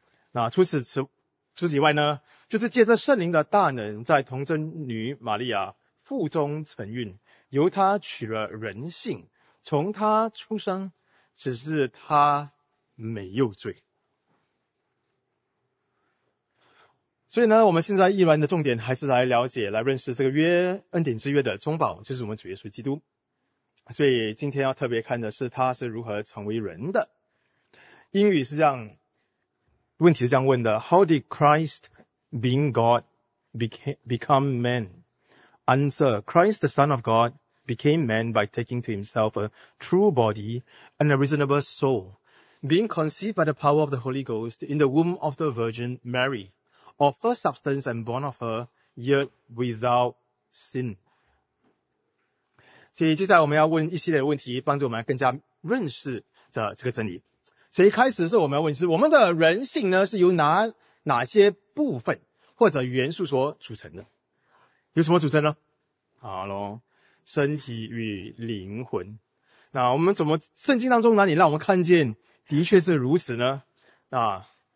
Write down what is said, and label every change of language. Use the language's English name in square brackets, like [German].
[Chinese] 那除此以外呢，就是借着圣灵的大能，在童贞女玛利亚腹中承孕，由她取了人性，从她出生，只是她没有罪。所以呢，我们现在依然的重点还是来了解，来认识这个约恩典之约的中保，就是我们主耶稣基督。所以今天要特别看的是他是如何成为人的。英语是这样，问题是这样问的 ： How did Christ, being God, become man? [English] Answer: Christ, the Son of God, became man by taking to himself a true body and a reasonable soul, being conceived by the power of the Holy Ghost in the womb of the Virgin Mary. Of her substance and born of her, yet without sin. [Chinese] 所以接下来我们要问一系列的问题，帮助我们更加认识的这个真理。所以一开始是我们要问，是我们的人性呢，是由哪些部分或者元素所组成的？有什么组成呢？好咯，身体与灵魂。那我们怎么圣经当中哪里让我们看见的确是如此呢？啊？